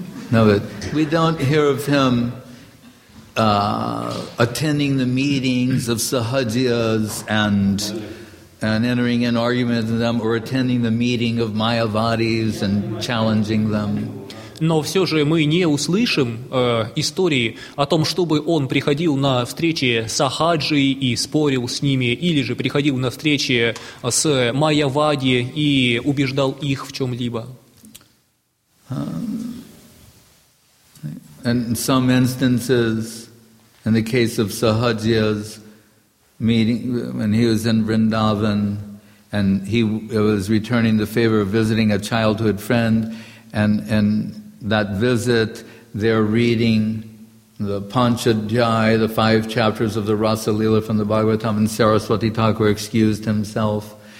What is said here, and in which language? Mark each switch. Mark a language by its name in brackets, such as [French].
[English] No, but we don't hear of him attending the meetings of Sahajiyas and entering in argument with them, or attending the meeting of Mayavadis and challenging them. [Russian] Но все же мы не услышим истории о том, чтобы он приходил на встречи с Ахаджи и спорил с ними, или же приходил на встречи с Майявади и убеждал их в чем-либо. [English] And in some instances, in the case of Sahajiya's meeting, when he was in Vrindavan, and he was returning the favor of visiting a childhood friend, and that visit, they're reading the Panchadhyay, the five chapters of the Rasa Lila from the Bhagavatam, and Saraswati Thakur excused himself.